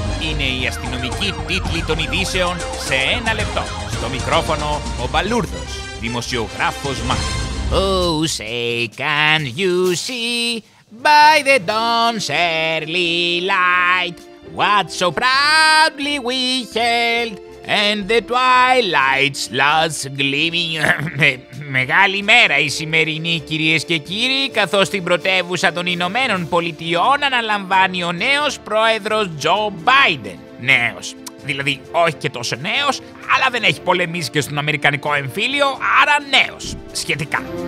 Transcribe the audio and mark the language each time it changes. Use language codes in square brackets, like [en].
[el] είναι οι αστυνομικοί τίτλοι των ειδήσεων σε ένα λεπτό. Στο μικρόφωνο ο Μπαλούρδος, δημοσιογράφος Μάρ. [en] Oh, say, can you see by the dawn's early light what so proudly we held and the twilight's last gleaming. [el] Μεγάλη μέρα η σημερινή, κυρίες και κύριοι, καθώς την πρωτεύουσα των Ηνωμένων Πολιτειών αναλαμβάνει ο νέος πρόεδρος Τζο Μπάιντεν. Νέος, δηλαδή όχι και τόσο νέος, αλλά δεν έχει πολεμήσει και στον Αμερικανικό εμφύλιο, άρα νέος, σχετικά.